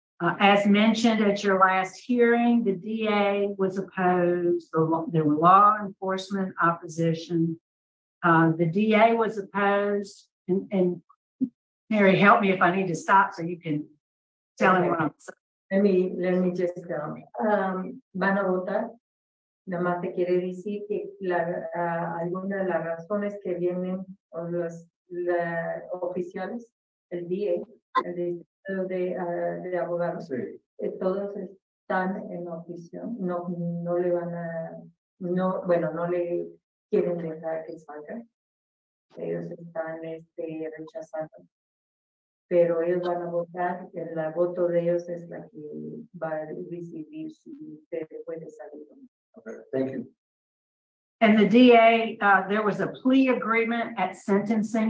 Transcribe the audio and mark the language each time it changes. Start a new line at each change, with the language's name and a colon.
English: As mentioned at your last hearing, the DA was opposed. There were law enforcement opposition. The DA was opposed. And Mary, help me if I need to stop so you can tell anyone else. Let me just tell me.
Spanish: Van a votar. Nada más te quiere decir que algunas de las razones que vienen o los oficiales, el DA, el distrito de abogados, sí. Todos están en oposición, no le van a, no, bueno, no le quieren dejar que salga, ellos están rechazando, pero ellos van a votar, el voto de ellos es la que va a decidir si usted puede salir o no.
English: Thank you. And the DA, there was a plea agreement at sentencing.